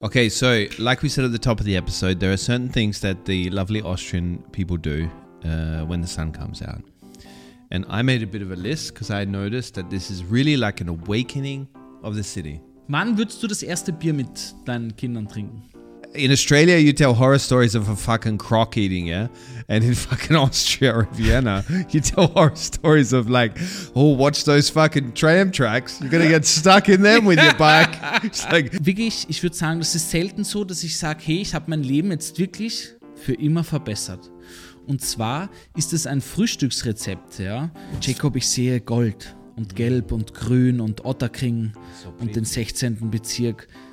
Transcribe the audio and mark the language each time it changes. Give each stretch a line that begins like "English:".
English: Okay, so like we said at the top of the episode, there are certain things that the lovely Austrian people do when the sun comes out. And I made a bit of a list because I noticed that this is really like an awakening of the city.
German: Wann würdest du das erste Bier mit deinen Kindern trinken?
English: In Australia, you tell horror stories of a fucking croc eating, yeah? And in fucking Austria or Vienna, you tell horror stories of like, oh, watch those fucking tram tracks. You're gonna get stuck in them with your bike. It's
German: like, wirklich, ich würde sagen, das ist selten so, dass ich sage, hey, ich habe mein Leben jetzt wirklich für immer verbessert. Und zwar ist es ein Frühstücksrezept, ja? Jacob, ich sehe Gold und Gelb und Grün und Otterkring und den 16. Bezirk.